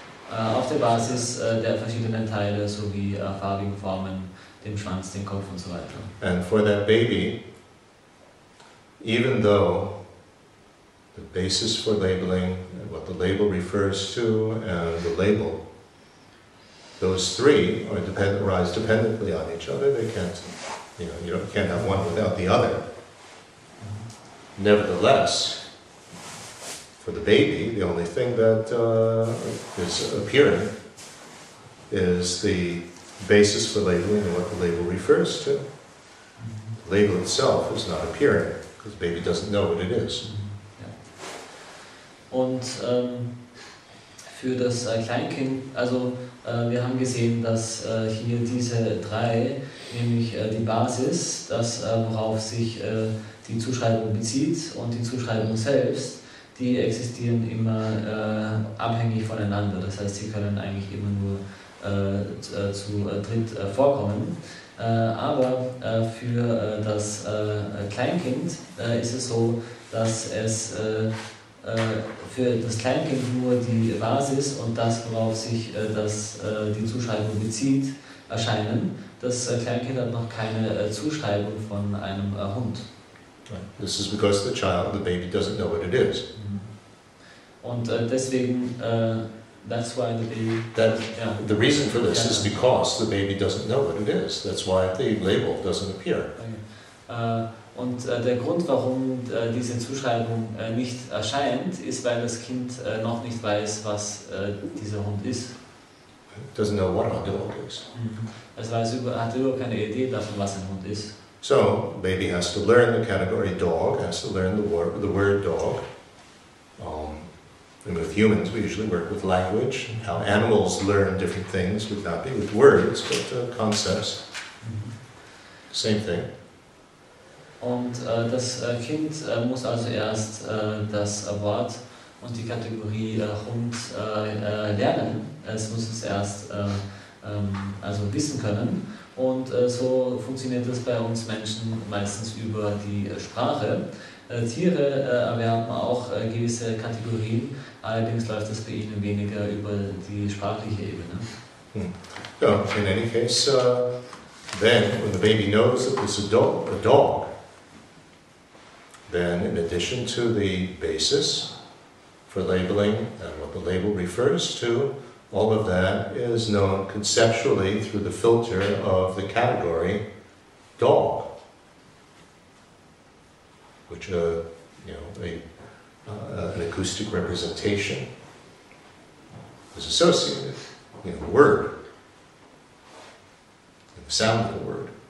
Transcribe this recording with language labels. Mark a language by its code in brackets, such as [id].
[de] Auf der Basis der verschiedenen Teile, sowie farbigen Formen, dem Schwanz, dem Kopf und so weiter. [en] And for that baby, even though the basis for labeling, what the label refers to, and the label. Those three are arise dependently on each other. They can't, you can't have one without the other. Nevertheless, for the baby, the only thing that is appearing is the basis for labeling and what the label refers to. The label itself is not appearing, because the baby doesn't know what it is. [de] Und für das Kleinkind, also wir haben gesehen, dass hier diese drei, nämlich die Basis, das worauf sich die Zuschreibung bezieht und die Zuschreibung selbst, die existieren immer abhängig voneinander. Das heißt, sie können eigentlich immer nur zu dritt vorkommen. Aber für das Kleinkind ist es so, dass es für das Kleinkind nur die Basis und das, worauf sich die Zuschreibung bezieht, erscheinen. Das Kleinkind hat noch keine Zuschreibung von einem Hund. [en] This is because the child, the baby, doesn't know what it is. [de] Und deswegen, [en] that's why the baby... The reason for this is because the baby doesn't know what it is. That's why the label doesn't appear. [de] Und der Grund, warum diese Zuschreibung nicht erscheint, ist, weil das Kind noch nicht weiß, was dieser Hund ist. [en] It doesn't know what a dog is. [de] Es weiß hat überhaupt keine Idee davon, was ein Hund ist. [en] So, baby has to learn the category dog, has to learn the word dog. And with humans, we usually work with language, how animals learn different things, would not be with words, but concepts. Same thing. [de] Und das Kind muss also erst das Wort und die Kategorie Hund lernen. Es muss es erst also wissen können. Und so funktioniert das bei uns Menschen meistens über die Sprache. Tiere erwerben auch gewisse Kategorien, allerdings läuft das bei ihnen weniger über die sprachliche Ebene. [en] Ja, in any case, then, when the baby knows that it's a dog, then, in addition to the basis for labeling and what the label refers to, all of that is known conceptually through the filter of the category dog, which an acoustic representation is associated, a word, the sound of the word.